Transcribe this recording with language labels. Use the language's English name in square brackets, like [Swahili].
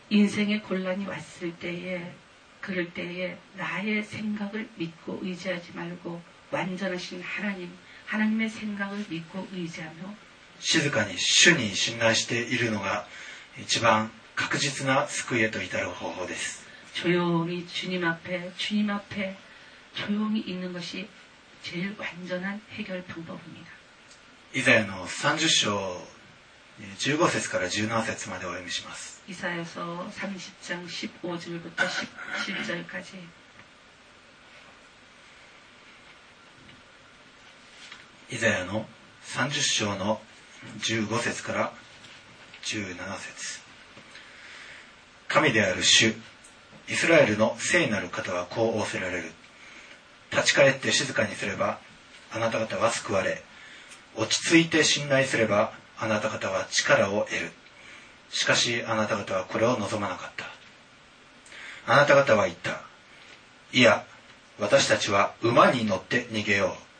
[Korean] 인생의곤란이왔을때에그럴때에나의생각을믿고의지하지말고완전하신하나님하나님의생각을믿고의지하며 [Japanese] 静かに主に信頼しているのが一番確実な救いへと至る方法です [Korean] 조용히주님앞에주님앞에조용히있는것이제일완전한해결방법입니다 이사야서30장15절 [Japanese] から17절までお読みします [Korean] 이사야서30장15절부터 10절까지 이사야서30장 [Japanese] の15節から17節神である主イスラエルの聖なる方はこう仰せられる立ち返って静かにすればあなた方は救われ落ち着いて信頼すればあなた方は力を得るしかしあなた方はこれを望まなかったあなた方は言ったいや私たちは馬に乗って逃げよ